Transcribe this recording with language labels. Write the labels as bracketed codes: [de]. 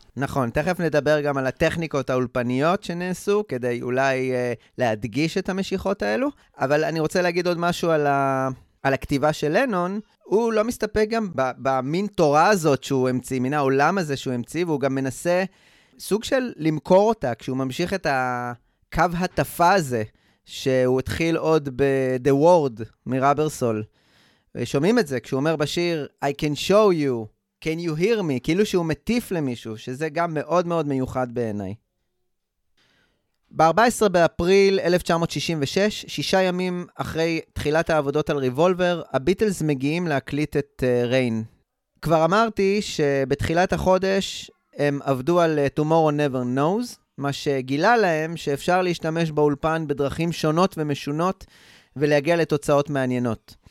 [he] נכון, תכף נדבר גם על הטכניקות האולפניות שנעשו, כדי אולי להדגיש את המשיכות האלו, אבל אני רוצה להגיד עוד משהו על, על הכתיבה של לנון. הוא לא מסתפק גם במין תורה הזאת שהוא המציא, מן העולם הזה שהוא המציא, והוא גם מנסה סוג של למכור אותה, כשהוא ממשיך את הקו הטפה הזה, שהוא התחיל עוד ב-The World מראברסול. שומעים את זה, כשהוא אומר בשיר, [en] I can show you, can you hear me? [he] כאילו שהוא מטיף למישהו, שזה גם מאוד מאוד מיוחד בעיניי. ב-14 באפריל 1966, שישה ימים אחרי תחילת העבודות על ריבולבר, הביטלס מגיעים להקליט את ריין. כבר אמרתי שבתחילת החודש, הם עבדו על Tomorrow Never Knows, מה שגילה להם שאפשר להשתמש באולפן בדרכים שונות ומשונות ולהגיע לתוצאות מעניינות.